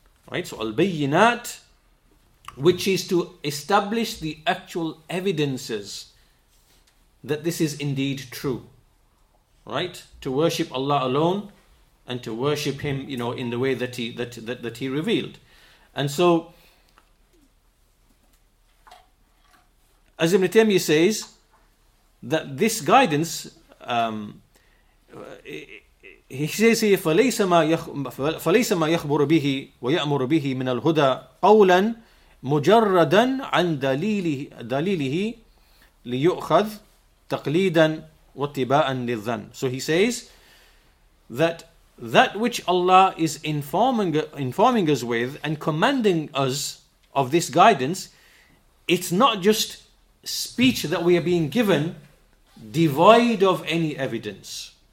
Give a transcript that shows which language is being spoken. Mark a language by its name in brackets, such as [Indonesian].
[English] Right, so al-bayyinat, which is to establish the actual evidences that this is indeed true. Right, to worship Allah alone. And to worship Him, you know, in the way that He revealed. And so, as Ibn Taymiyyah says, that this guidance, he says here, [Arabic] فَلَيْسَ مَا يَخْبُرُ بِهِ وَيَأْمُرُ بِهِ مِنَ الْهُدَى قَوْلًا مُجَرَّدًا عَنْ دَلِيلِهِ لِيُؤْخَذْ تَقْلِيدًا وَاتِّبَاءً لِلذَّنِ. [English] So he says that which Allah is informing us with and commanding us of this guidance, it's not just speech that we are being given devoid of any evidence.